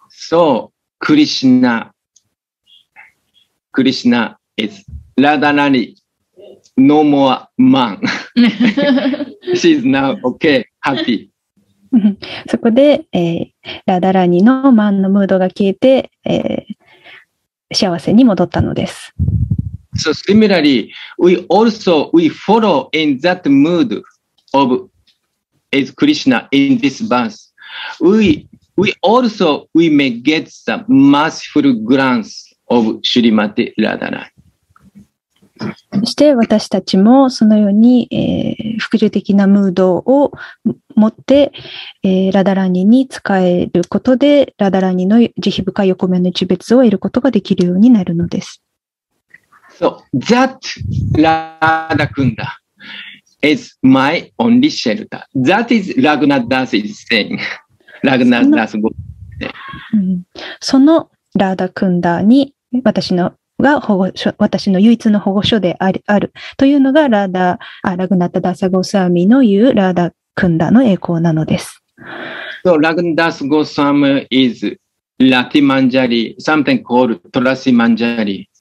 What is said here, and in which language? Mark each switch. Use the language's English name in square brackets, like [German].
[English] SoKrishna is Radharani, no more man. She's now okay, happy. [Japanese] そこで、ラダラニのマンのムードが消えて、幸せに戻ったのです。 [English] So similarly, we follow in that mood of is Krishna in this verse. We may get the merciful glance of Srimati Radharani. [Japanese] そして私たちもそのように、服従的なムードを持って、ラダラニに仕えることで、ラダラニの慈悲深い横目の一別を得ることができるようになるのです。 [English] So that Radha Kunda is my only shelter. That is Raghunath Das is saying. ラグナーダスゴ、 [Japanese] そのラーダクンダに私のが保護所、私の唯一の保護所であり、あるというのがラグナッタダサゴスワミの言うラーダクンダの栄光なのです。 [English] So, ラグナダスゴスワミ is ラティマンジャリ、something called トラシマンジャリ。